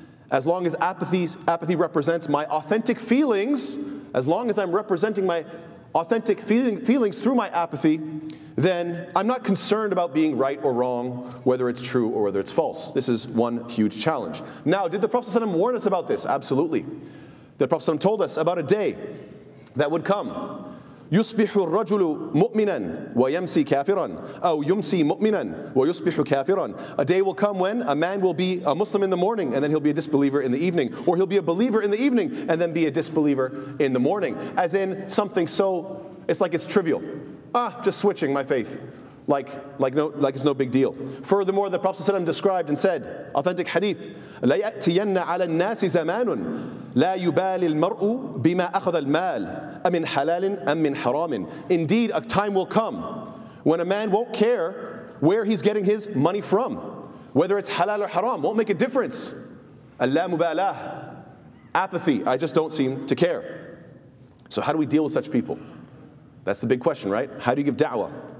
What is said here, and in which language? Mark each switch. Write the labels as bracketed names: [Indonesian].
[English] As long as apathy represents my authentic feelings, as long as I'm representing my authentic feelings through my apathy, then I'm not concerned about being right or wrong, whether it's true or whether it's false. This is one huge challenge. Now, did the Prophet ﷺ warn us about this? Absolutely. The Prophet ﷺ told us about a day that would come. [Arabic] يصبح الرجل مؤمنا ويمسي كافرا أو يمسي مؤمنا ويصبح كافرا. [English] A day will come when a man will be a Muslim in the morning and then he'll be a disbeliever in the evening, or he'll be a believer in the evening and then be a disbeliever in the morning. As in something so, it's like it's trivial. Just switching my faith, like it's no big deal. Furthermore, the Prophet ﷺ described and said, authentic hadith, [Arabic] لا يأتين على الناس زمان لا يبالي المرء بما أخذ المال أمن حلال أم من حرام. [English] Indeed, a time will come when a man won't care where he's getting his money from, whether it's halal or haram, won't make a difference. اللامبالاه, apathy, I just don't seem to care. So how do we deal with such people? That's the big question, right? How do you give da'wah?